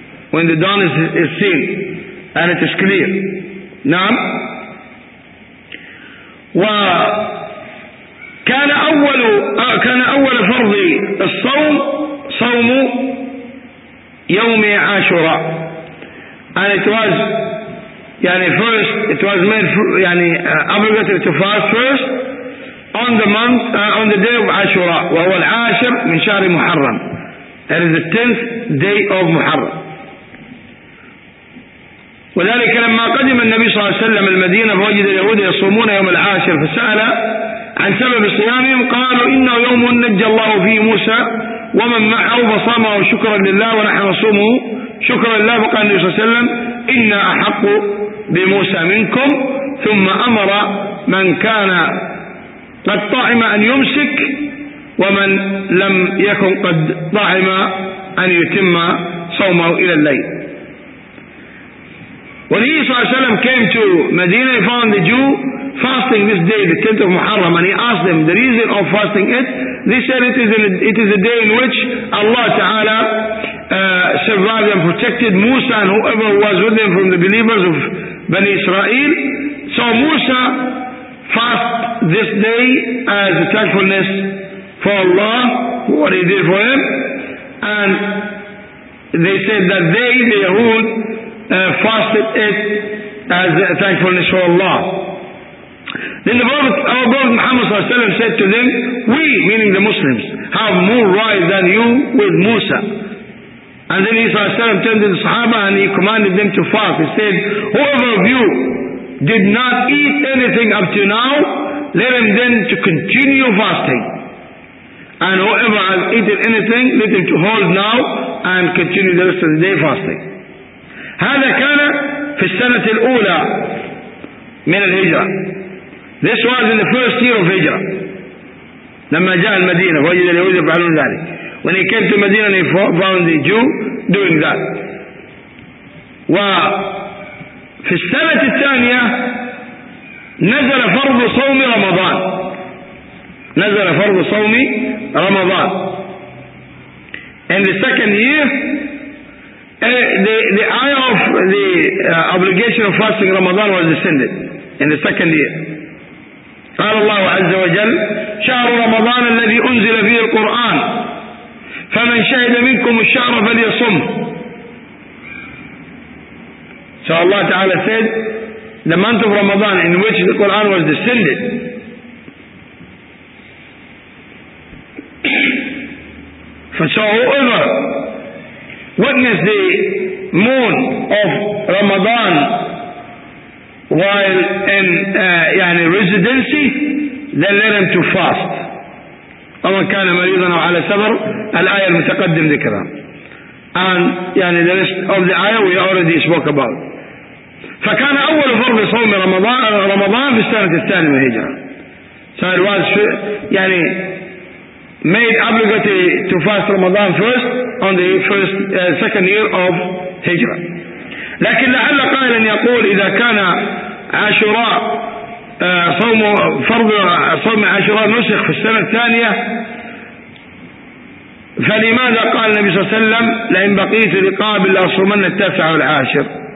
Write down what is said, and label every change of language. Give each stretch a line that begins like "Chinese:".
English: When the dawn is seen and it is clear.
Arabic: نعم. وكان أول كان أول فرض الصوم صوم يوم عاشوراء.
English: And it was
Arabic: يعني
English: first it was made يعني obligatory to fast first on the month on the day of عاشوراء
Arabic: وهو العاشر من شهر محرم.
English: That is the 10th day of محرم.
Arabic: وذلك لما قدم النبي صلى الله عليه وسلم المدينة فوجد اليهود يصومون يوم العاشر فسأل عن سبب صيامهم قالوا إنه يوم نجى الله فيه موسى ومن معه فصامه شكرا لله ونحن نصومه شكرا لله. فقال النبي صلى الله عليه وسلم إنا أحق بموسى منكم. ثم أمر من كان قد طعم أن يمسك ومن لم يكن قد طعم أن يتم صومه إلى الليل.
English: When he
Arabic: صلى الله عليه وسلم
English: came to Medina, he found the Jew fasting this day, the 10th of Muharram, and he asked them the reason of fasting it. They said it is a day in which Allah Ta'ala survived and protected Musa and whoever was with him from the believers of Bani Israel. So Musa fasted this day as a thankfulness for Allah, what he did for him. And they said that they, the Yahud, fasted it as a thankfulness for Allah. Then the Prophet, our Prophet Muhammad ﷺ said to them, we, meaning the Muslims, have more right than you with Musa. And then he ﷺ turned to the Sahaba and he commanded them to fast. He said, whoever of you did not eat anything up to now, let him then to continue fasting. And whoever has eaten anything, let him to hold now and continue the rest of the day fasting.
Arabic: هذا كان في السنة الأولى من الهجرة.
English: This was in the first year of Hijra.
Arabic: لما جاء المدينة وجد اليهود يفعلون ذلك.
English: When he came to Medina he found the Jew doing that.
Arabic: وفي السنة الثانية نزل فرض صوم رمضان. نزل فرض صوم رمضان.
English: In the second year the eye of the obligation of fasting Ramadan was descended in the second year.
Arabic: قال الله عز وجل شهر رمضان الذي أنزل فيه القرآن فمن شهد منكم الشهر فليصم.
English: So Allah Ta'ala said the month of Ramadan in which the Quran was descended. So whoever witness the moon of Ramadan while in
Arabic: يعني
English: residency, then let him to fast.
Arabic: ومن كان مريضا أو على سفر الآية المتقدم ذكرها.
English: And
Arabic: يعني
English: the rest of the ayah we already spoke about.
Arabic: فكان أول فرض صوم رمضان في السنة الثانية من الهجرة.
English: So it was
Arabic: يعني
English: made obligatory to fast Ramadan first on the first second year of Hijra.
Arabic: لكن لعل قائلا يقول إذا كان عاشوراء صوم فرض صوم عاشوراء نسخ في السنة الثانية فلماذا قال النبي صلى الله عليه وسلم لئن بقيت لقابل لأصومن التاسع والعاشر.